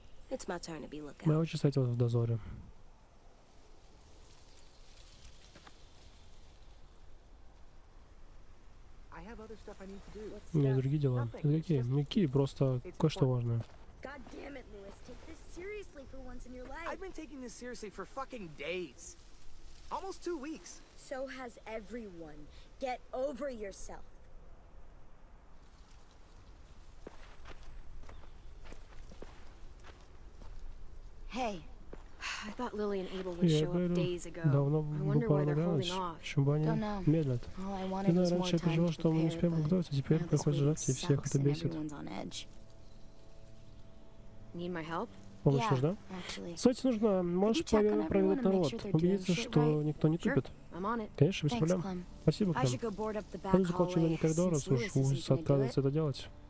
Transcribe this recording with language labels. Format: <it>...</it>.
<en>It's my turn to be lookout.</en> <ru>Моя очередь стоять в дозоре.</ru> <en>I have other stuff I need to do.</en> <ru>У меня другие дела. Это какие? Никакие, просто кое-что важное.</ru> <en>God damn it, Louis. Take this seriously for once in your life. I've been taking this seriously for fucking days. Almost 2 weeks. So has everyone. Get over yourself. Hey, I thought Lily and Abel would show up days ago. I wonder why they're holding off. Don't know. All I wanted was more time to prepare, but now this week sucks and everyone's on edge. Need my help?</en> <ru>Помощь нужна? Кстати, нужно, можешь проверить правила народ, убедиться, что никто не тупит. Конечно, без проблем. Спасибо, Клэм. Пойду заколчу на коридор, раз уж Луис отказывается это делать.</ru>